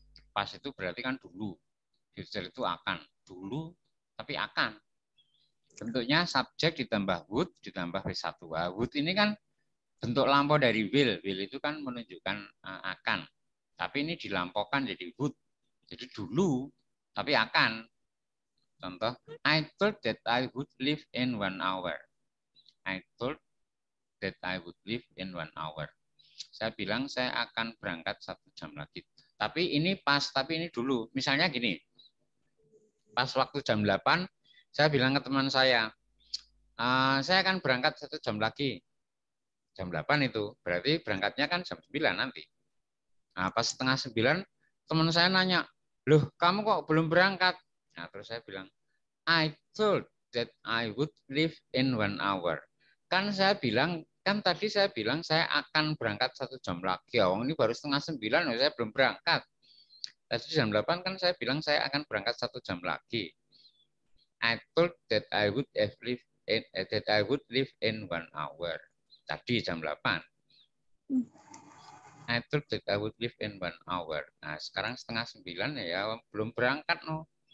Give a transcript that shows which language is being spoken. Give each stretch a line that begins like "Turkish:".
Indonesian: Past itu berarti kan dulu. Future itu akan. Dulu tapi akan. bentuknya subjek ditambah would ditambah V1A. Would ini kan bentuk lampau dari will. Will itu kan menunjukkan akan. Tapi ini dilampaukan jadi would. Jadi dulu, tapi akan. Contoh,
English: I thought that I would leave in 1 hour. I thought that I would leave in 1 hour.
Indonesian: Saya bilang saya akan berangkat 1 jam lagi. Tapi ini pas, tapi ini dulu. Misalnya gini, pas waktu jam 8, saya bilang ke teman saya akan berangkat 1 jam lagi. Jam 8 itu, berarti berangkatnya kan jam 9 nanti. Nah, pas setengah 9, teman saya nanya, loh, kamu kok belum berangkat? Nah, terus saya bilang,
English: I told that I would leave in 1 hour.
Indonesian: Kan saya bilang, kan tadi saya bilang saya akan berangkat 1 jam lagi. Awang ini baru 8:30, saya belum berangkat. Tadi jam 8 kan saya bilang saya akan berangkat 1 jam lagi.
English: I told that I would leave in, that I would leave in 1 hour.
Indonesian: Tadi jam 8.
English: I told that I would leave in 1 hour.
Indonesian: Nah, sekarang 8:30 ya, belum berangkat no.